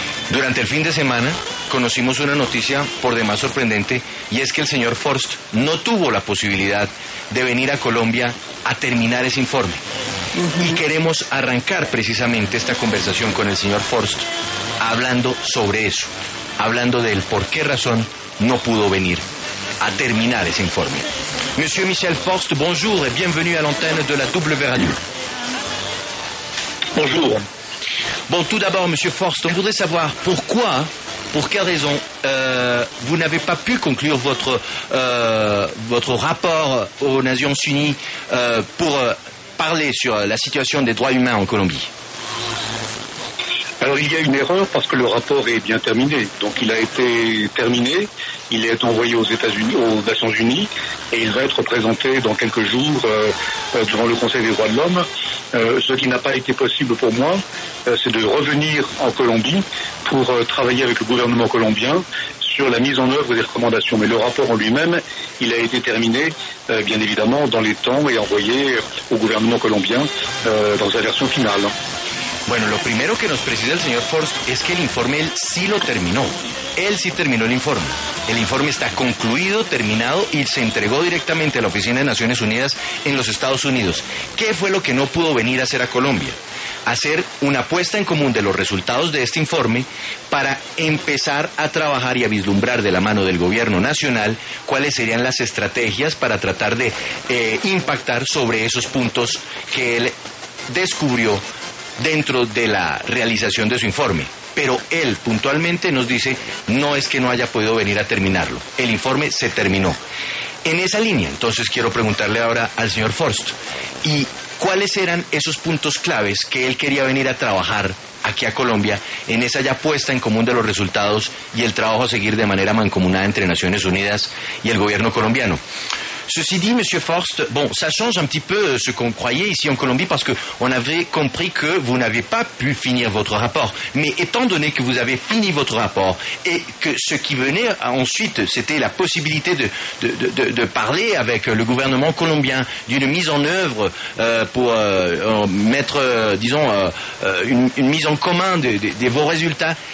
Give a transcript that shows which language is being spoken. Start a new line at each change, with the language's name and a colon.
Spanish: Durante el fin de semana conocimos una noticia por demás sorprendente, y es que el señor Forst no tuvo la posibilidad de venir a Colombia a terminar ese informe. Y queremos arrancar precisamente esta conversación con el señor Forst hablando sobre eso, hablando del por qué razón no pudo venir a terminar ese informe.
French: Monsieur Michel Forst, bonjour et bienvenue à l'antenne de la W Radio. Bonjour. Bon, tout d'abord, Monsieur Forst, on voudrait savoir pourquoi, pour quelle raison, vous n'avez pas pu conclure votre rapport aux Nations Unies pour parler sur la situation des droits humains en Colombie. Alors, il y a une erreur parce que le rapport est bien terminé. Donc, il a été terminé, il est envoyé aux États-Unis, aux Nations Unies, et il va être présenté dans quelques jours devant le Conseil des droits de l'homme. Ce qui n'a pas été possible pour moi, c'est de revenir en Colombie pour travailler avec le gouvernement colombien sur la mise en œuvre des recommandations. Mais le rapport en lui-même, il a été terminé, bien évidemment, dans les temps et envoyé au gouvernement colombien dans sa version finale.
Spanish: Bueno, lo primero que nos precisa el señor Forst es que el informe él sí lo terminó. Él sí terminó el informe. El informe está concluido, terminado y se entregó directamente a la Oficina de Naciones Unidas en los Estados Unidos. ¿Qué fue lo que no pudo venir a hacer a Colombia? Hacer una puesta en común de los resultados de este informe para empezar a trabajar y a vislumbrar de la mano del gobierno nacional cuáles serían las estrategias para tratar de impactar sobre esos puntos que él descubrió dentro de la realización de su informe. Pero él puntualmente nos dice, no es que no haya podido venir a terminarlo. El informe se terminó. En esa línea, entonces, quiero preguntarle ahora al señor Forst, ¿y cuáles eran esos puntos claves que él quería venir a trabajar aquí a Colombia en esa ya puesta en común de los resultados y el trabajo a seguir de manera mancomunada entre Naciones Unidas y el gobierno colombiano?
French: Ceci dit, Monsieur Forst, bon, ça change un petit peu ce qu'on croyait ici en Colombie, parce que on avait compris que vous n'avez pas pu finir votre rapport. Mais étant donné que vous avez fini votre rapport et que ce qui venait ensuite, c'était la possibilité de parler avec le gouvernement colombien d'une mise en œuvre pour mettre, disons, une mise en commun de vos résultats.